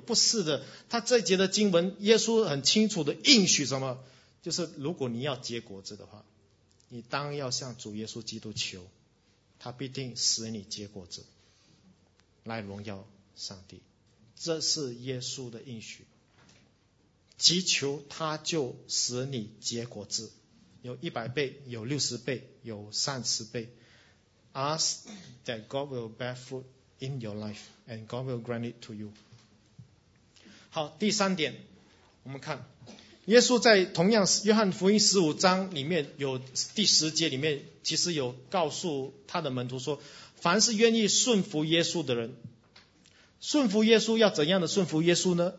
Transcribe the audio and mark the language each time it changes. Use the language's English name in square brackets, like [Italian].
[Chinese] 不是的，他这节的经文耶稣很清楚的应许什么，就是如果你要结果子的话，你当要向主耶稣基督求，他必定使你结果子来荣耀上帝。这是耶稣的应许，祈求他就使你结果子，有100倍，有60倍，有30倍。 [English] Ask that God will bear fruit in your life and God will grant it to you。 [Chinese] 好，第三点我们看耶稣在同样约翰福音15章里面，有第十节里面其实有告诉他的门徒说，凡是愿意顺服耶稣的人，顺服耶稣要怎样的顺服耶稣呢？